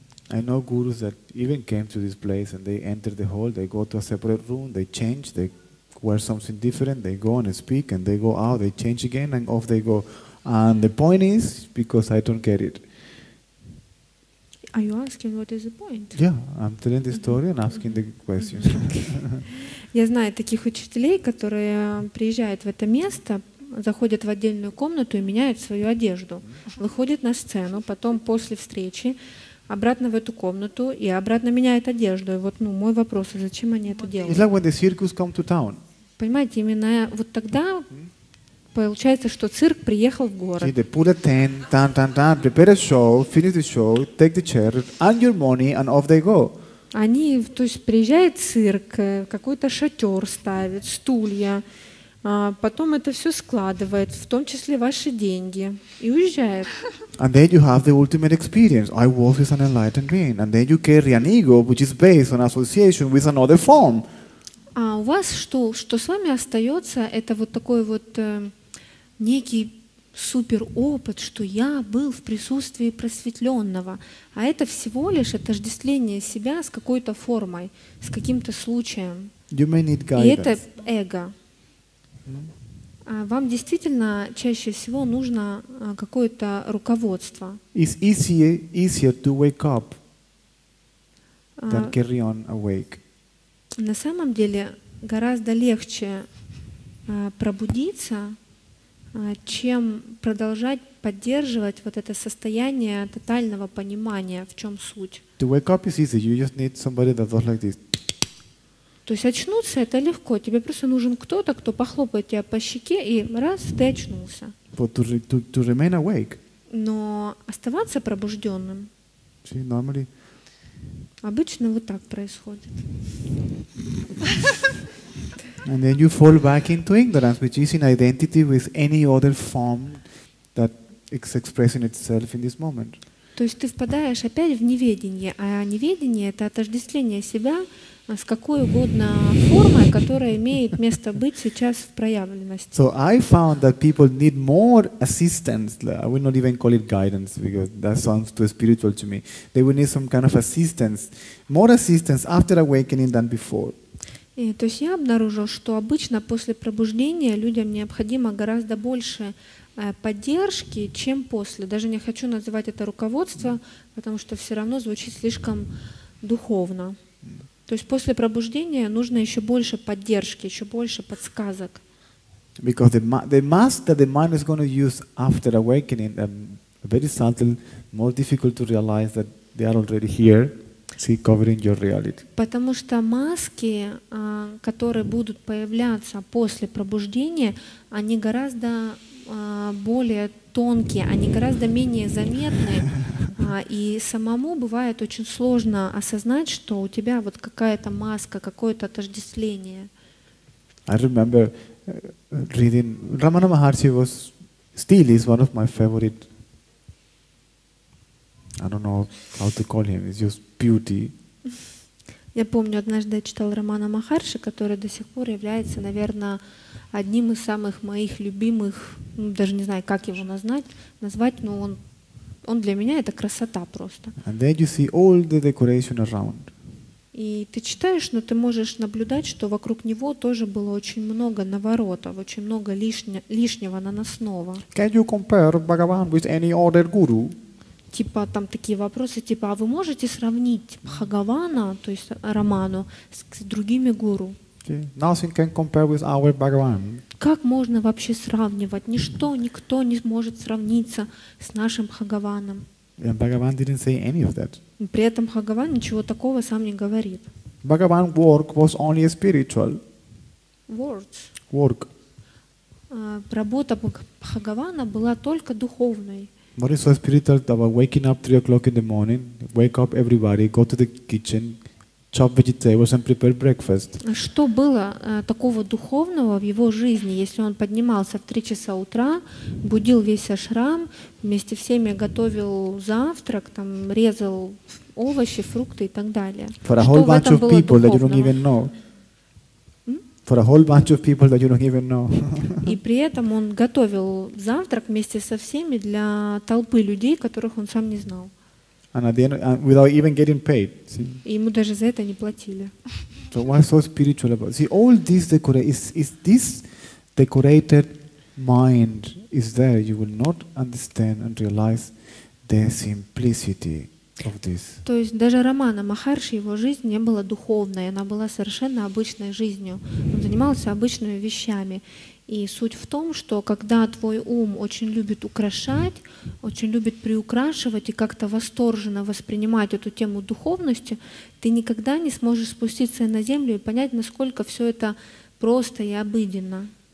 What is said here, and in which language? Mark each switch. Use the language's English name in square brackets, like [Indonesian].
[English] I know gurus that even came to this place and they enter the hall, they go to a separate room, they change, they wear something different, they go and speak, and they go out, they change again, and off they go. And the point is, because I don't get it. Are you asking what is the point? Yeah, I'm telling the story and asking the question. [Russian] Я знаю таких учителей, которые приезжают в это место, заходят в отдельную комнату и меняют свою одежду. Выходят на сцену, потом после встречи обратно в эту комнату и обратно меняют одежду. И вот мой вопрос, зачем они это делают? [English] It's like when the circus come to town. [Russian] Понимаете, именно вот тогда получается, что цирк приехал в город. [English] See, they put a tent, tan-tan-tan, prepare a show, finish the show, take the chair, earn your money, and off they go. [Russian] Они, то есть, приезжает цирк, какой-то шатер ставит, стулья, Потом это все складывает, в том числе ваши деньги, и уезжает. [English] And then you have the ultimate experience. I was with an enlightened being, and then you carry an ego, which is based on association with another form. [Russian] А у вас что с вами остается? Это вот такой вот некий супер опыт, что я был в присутствии просветленного, а это всего лишь отождествление себя с какой-то формой, с каким-то случаем. [English] You may need guidance. [Russian] И это эго. Вам действительно чаще всего нужно какое-то руководство. [English] It's easier to wake up than carry on awake. [Russian] На самом деле гораздо легче пробудиться, чем продолжать поддерживать вот это состояние тотального понимания, в чем суть. [English] To wake up is easy. You just need somebody that does like this. [Russian] То есть очнуться — это легко. Тебе просто нужен кто-то, кто похлопает тебя по щеке, и раз — ты очнулся. [English] But to remain awake. [Russian] Но оставаться пробужденным [English] — see, normally. [Russian] Обычно вот так происходит. [English] And then you fall back into ignorance, which is in identity with any other form that is expressing itself in this moment. [Russian] То есть ты впадаешь опять в неведение, а неведение — это отождествление себя с какой угодно формой, которая имеет место быть сейчас в проявленности. [English] So I found that people need more assistance. I will not even call it guidance because that sounds too spiritual to me. They will need some kind of assistance, more assistance after awakening than before. [Russian] И, то есть я обнаружил, что обычно после пробуждения людям необходимо гораздо больше поддержки, чем после. Даже не хочу называть это руководство, потому что все равно звучит слишком духовно. То есть после пробуждения нужно еще больше поддержки, еще больше подсказок. [English] Because the mask that the mind is going to use after awakening are very subtle, more difficult to realize that they are already here, see, covering your reality. [Russian] Потому что маски, которые будут появляться после пробуждения, они гораздо более тонкие, они гораздо менее заметны. И самому бывает очень сложно осознать, что у тебя вот какая-то маска, какое-то отождествление. [English] I remember reading Ramana Maharshi was still is one of my favorite. I don't know how to call him. It's just beauty. [Russian] Я помню, однажды я читал Рамана Махарши, который до сих пор является, наверное, одним из самых моих любимых. Ну, даже не знаю, как его назвать, но он для меня — это красота просто. [English] And then you see all the decoration around. [Russian] И ты читаешь, но ты можешь наблюдать, что вокруг него тоже было очень много наворотов, очень много лишнего наносного. [English] Can you compare Bhagavan with any other guru? [Russian] Типа там такие вопросы, типа, а вы можете сравнить Бхагавана, то есть Роману, с другими гуру? [English] Okay. Nothing can compare with our Bhagavan. [Russian] Как можно вообще сравнивать? Ничто, никто не может сравниться с нашим Бхагаваном. [English] And Bhagavan didn't say any of that. [Russian] При этом Бхагаван ничего такого сам не говорит. [English] Bhagavan work was only a spiritual. Words. Work. [Russian] Работа Бхагавана была только духовной. [English] What is so spiritual about waking up 3 o'clock in the morning, wake up everybody, go to the kitchen, chop vegetables and prepare breakfast? [Russian] Что было такого духовного в его жизни, если он поднимался в 3 часа утра, будил весь ашрам, вместе всеми готовил завтрак, там резал овощи, фрукты и так далее? [English] For a whole bunch of people that you don't even know. For a whole bunch of people that you don't even know. [Russian] И при этом он готовил завтрак вместе со всеми для толпы людей, которых он сам не знал. [English] And at the end, and without even getting paid. See? [Russian] И ему даже за это не платили. [English] So why so spiritual about? See, all this decorated mind is there. You will not understand and realize the simplicity. [Russian] То есть даже Рамана Махарши, его жизнь не была духовной, она была совершенно обычной жизнью. Он занимался обычными вещами. И суть в том, что когда твой ум очень любит украшать, очень любит приукрашивать и как-то восторженно воспринимать эту тему духовности, ты никогда не сможешь спуститься на землю и понять, насколько все это просто и обыденно.